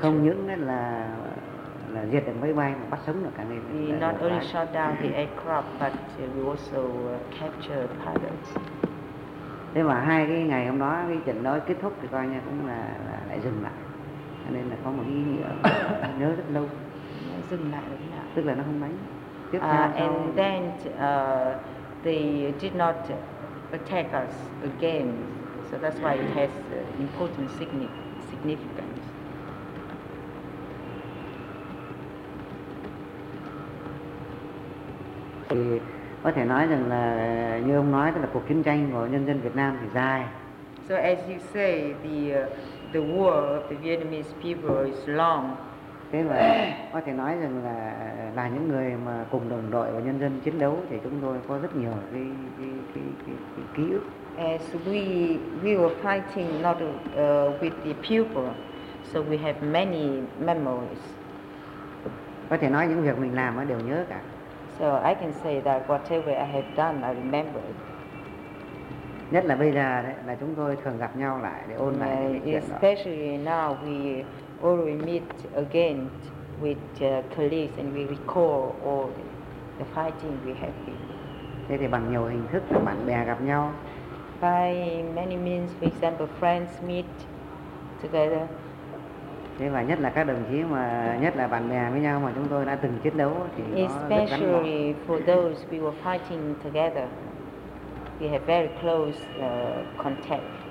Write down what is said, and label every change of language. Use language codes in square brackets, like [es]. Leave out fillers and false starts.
[vi] Không những là diệt được máy bay mà bắt sống được cả người. [en] We not only shot down the aircraft, but we also captured pilots. [vi] Thế mà hai cái ngày hôm đó, cái trận đó kết thúc thì coi như cũng là lại dừng lại. Cho nên là có một ý nghĩa nhớ rất lâu. Dừng lại rồi nào? Tức là nó không đánh. [en] And then they did not attack us again. So that's why it has important significance. [vi] Thì có thể nói rằng là như ông nói, tức là cuộc chiến tranh của nhân dân Việt Nam thì dài. [en] So as you say, the war of the Vietnamese people is long. [vi] Thế là có thể nói rằng là những người mà cùng đồng đội và nhân dân chiến đấu thì chúng tôi có rất nhiều cái ký ức. [en] As we were fighting not with the people, so we have many memories. [vi] Có thể nói những việc mình làm đều nhớ cả. [en] So I can say that whatever I have done, I remember it. [vi] Nhất là bây giờ đấy, là chúng tôi thường gặp nhau lại để ôn lại chuyện đó. [en] Especially now we always meet again with colleagues and we recall all the fighting we have been. [vi] Thế thì bằng nhiều hình thức, bạn bè gặp nhau. [en] By many means, for example, friends meet together. [vi] Thế và nhất là các đồng chí mà nhất là bạn bè với nhau mà chúng tôi đã từng chiến đấu thì nó [en] especially [vi] rất gắn bó. [en] For those we were fighting together, we have very close contact.